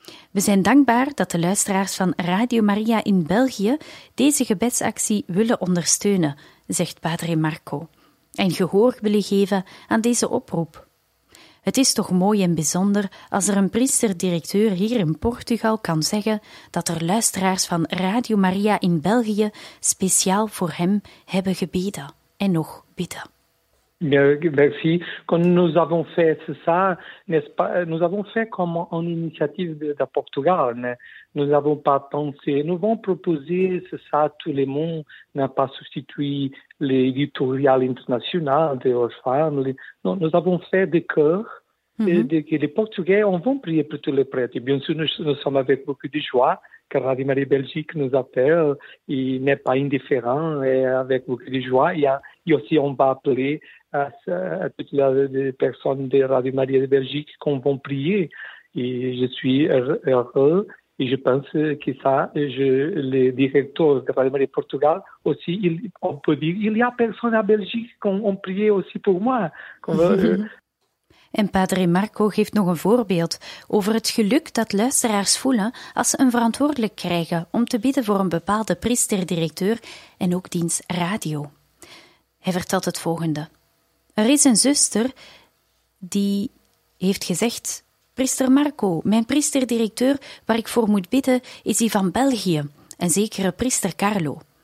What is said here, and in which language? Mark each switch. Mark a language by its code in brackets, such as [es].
[nl] We zijn dankbaar dat de luisteraars van Radio Maria in België deze gebedsactie willen ondersteunen, zegt Padre Marco, en gehoor willen geven aan deze oproep. Het is toch mooi en bijzonder als er een priester-directeur hier in Portugal kan zeggen dat er luisteraars van Radio Maria in België speciaal voor hem hebben gebeden en nog bidden. [fr] Merci. Quand nous avons fait ça, n'est-ce pas, nous avons fait comme une initiative de Portugal. Né? Nous n'avons pas pensé, nous avons proposé ça à tout le monde, n'a pas substitué l'éditorial international de Our Family. Non, nous avons fait de cœur. Que les Portugais, on va prier pour tous les prêtres. Et bien sûr, nous sommes avec beaucoup de joie, car Radio Maria Belgique nous appelle et n'est pas indifférent, et avec beaucoup de joie. Et aussi, on va appeler à toutes les personnes de Radio Maria de Belgique qu'on va prier. Et je suis heureux et je pense que ça, le directeur de Radio Maria Portugal aussi, on peut dire, il y a personne à Belgique qu'on a prié aussi pour moi. [nl] En Padre Marco geeft nog een voorbeeld over het geluk dat luisteraars voelen als ze een verantwoordelijk krijgen om te bidden voor een bepaalde priester-directeur en ook diens radio. Hij vertelt het volgende. Er is een zuster die heeft gezegd, priester Marco, mijn priester-directeur waar ik voor moet bidden is die van België, een zekere priester Carlo.